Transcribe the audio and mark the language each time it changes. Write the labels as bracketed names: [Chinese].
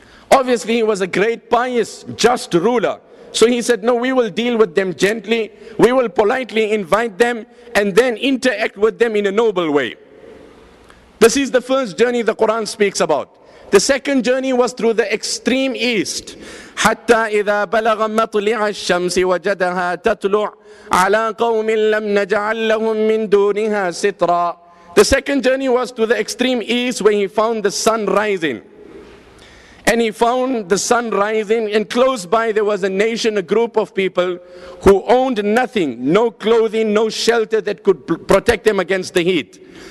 [English] Obviously, he was a great, pious, just ruler. So he said, no, we will deal with them gently. We will politely invite them and then interact with them in a noble way. This is the first journey the Quran speaks about. The second journey was through the extreme east. [Arabic] حتى إذا بلغ مطلع الشمس وجدها تطلع على قوم لم نجعل لهم من دونها سترا. [English] The second journey was to the extreme east, where he found the sun rising. And he found the sun rising, and close by there was a nation, a group of people who owned nothing, no clothing, no shelter that could protect them against the heat.